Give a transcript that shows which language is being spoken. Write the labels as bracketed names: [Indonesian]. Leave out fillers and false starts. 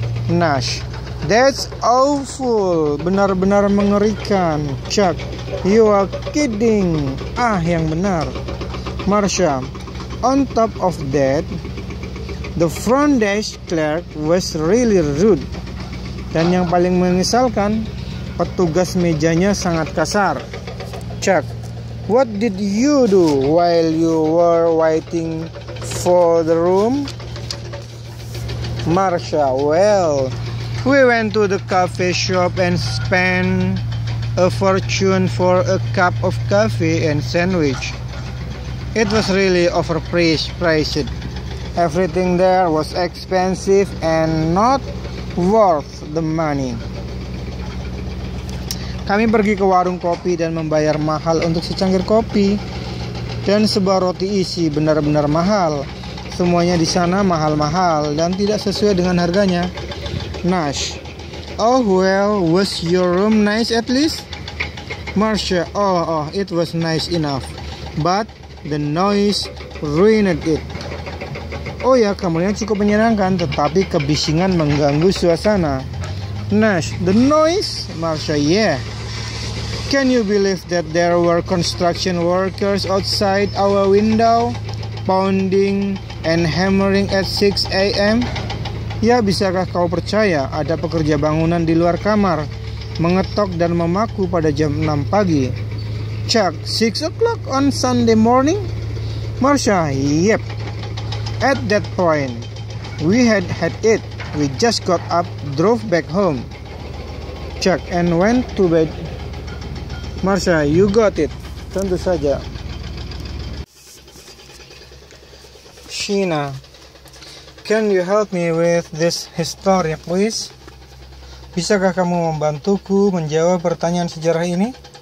[English] Nash, that's awful, [Indonesian] benar-benar mengerikan. [English] Chuck, you are kidding. [Indonesian] Ah, yang benar. [English] Marcia, on top of that, the front desk clerk was really rude. [Indonesian] Dan yang paling menyesalkan, petugas mejanya sangat kasar. [English] Chuck, what did you do while you were waiting for the room? Marcia, well, we went to the cafe shop and spent a fortune for a cup of coffee and sandwich. It was really overpriced. Everything there was expensive and not worth the money. [Indonesian] Kami pergi ke warung kopi dan membayar mahal untuk secangkir kopi dan sebuah roti isi, benar-benar mahal. Semuanya di sana mahal-mahal dan tidak sesuai dengan harganya. [English] Nash, oh well, was your room nice at least? Marcia, oh, it was nice enough, but the noise ruined it. [Indonesian] Oh ya, kamarnya cukup menyenangkan, tetapi kebisingan mengganggu suasana. [English] Nash, the noise? Marcia, yeah. Can you believe that there were construction workers outside our window, pounding and hammering at 6 a.m.? [Indonesian] Ya, bisakah kau percaya ada pekerja bangunan di luar kamar, mengetok dan memaku pada jam 6 pagi? [English] Chuck, 6 o'clock on Sunday morning? Marcia, yep. At that point, we had had it. We just got up, drove back home. Chuck, and went to bed. Marcia, you got it. [Indonesian] Tentu saja. [English] Sheena, can you help me with this history, please? [Indonesian] Bisakah kamu membantuku menjawab pertanyaan sejarah ini?